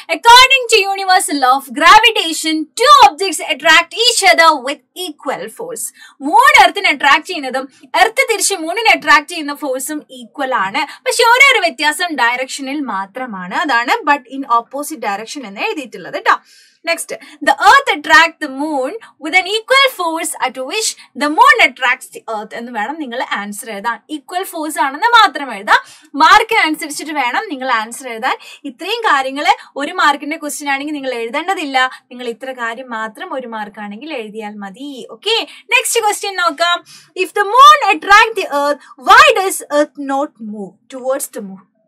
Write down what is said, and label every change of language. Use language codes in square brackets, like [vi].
[en] According to universal law of gravitation, two objects attract each other with equal force. [ml] Moon എർത്തിനെ attract ചെയ്യുന്നതും earth തിരിച്ച് മൂണിനെ attract ചെയ്യുന്ന ഫോഴ്സും equal ആണ്. പക്ഷെ ഒരേ ഒരു വ്യത്യാസം ഡയറക്ഷനിൽ മാത്രമാണ്, അതാണ് [en] but in opposite direction [ml] എന്ന് എഴുതിയിട്ടുള്ളത് കേട്ടോ. [en] Next, the earth attracts the moon with an equal force at which the moon attracts the earth. [ml] എന്ന് വേണം നിങ്ങൾ ആൻസർ എഴുതാൻ. ഈക്വൽ ഫോഴ്സ് ആണെന്ന് മാത്രം എഴുതാം. മാർക്കിന് അനുസരിച്ചിട്ട് വേണം നിങ്ങൾ ആൻസർ എഴുതാൻ. ഇത്രയും കാര്യങ്ങൾ ഒരു മാർക്കിന്റെ ക്വസ്റ്റ്യൻ ആണെങ്കിൽ നിങ്ങൾ എഴുതേണ്ടതില്ല. നിങ്ങൾ ഇത്ര കാര്യം മാത്രം ഒരു മാർക്കാണെങ്കിൽ എഴുതിയാൽ മതി. ഓക്കെ, നെക്സ്റ്റ് ക്വസ്റ്റ്യൻ നോക്കാം. [en] If the moon attract the earth, why does earth not move towards the moon?